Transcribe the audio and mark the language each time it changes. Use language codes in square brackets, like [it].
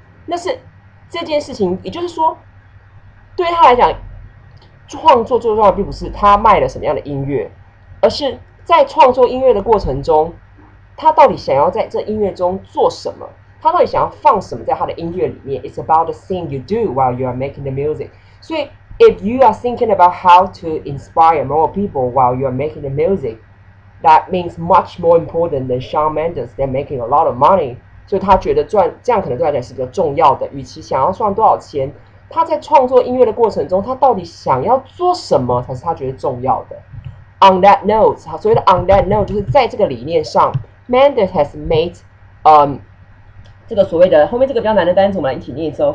[zh] 那是这件事情，也就是说，对他来讲，创作最重要的并不是他卖了什么样的音乐，而是。在创作音乐的过程中，他到底想要在这音乐中做什么？他到底想要放什么在他的音乐里面 [en] ？It's about the thing you do while you are making the music. [zh] 所以 [en] ，if you are thinking about how to inspire more people while you are making the music， that means much more important than Shawn Mendes. They're making a lot of money. [zh] 所以他觉得赚这样可能对他来说是比较重要的。与其想要赚多少钱，他在创作音乐的过程中，他到底想要做什么才是他觉得重要的。 [en] On that note, [zh] 所谓的 [en] on that note [zh] 就是在这个理念上 ， [en] Mendes has made, [zh] 这个所谓的后面这个比较难的单词，我们来一起念一次哦。